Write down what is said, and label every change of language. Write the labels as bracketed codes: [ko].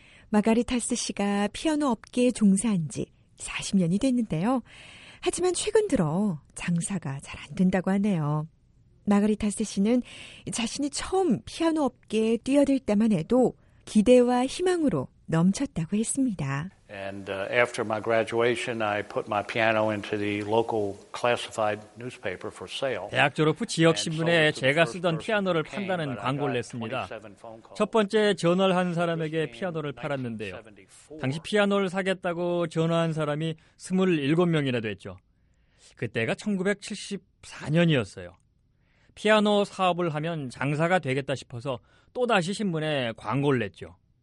[ko] 마가리타스 씨가 피아노 업계에 종사한 지 40년이 됐는데요. 하지만 최근 들어 장사가 잘 안 된다고 하네요. 마가리타스 씨는 자신이 처음 피아노 업계에 뛰어들 때만 해도 기대와 희망으로 넘쳤다고 했습니다. [en] And after my graduation, I put my piano into the local classified newspaper for sale. [ko] 대학 졸업 후 지역 신문에 제가 쓰던 피아노를 판다는 광고를 냈습니다. 첫 번째 전화를 한 사람에게 피아노를 팔았는데요. 당시 피아노를 사겠다고 전화한 사람이 27명이나 됐죠. 그때가 1974년이었어요. 피아노 사업을 하면 장사가 되겠다 싶어서 또다시 신문에 광고를 냈죠.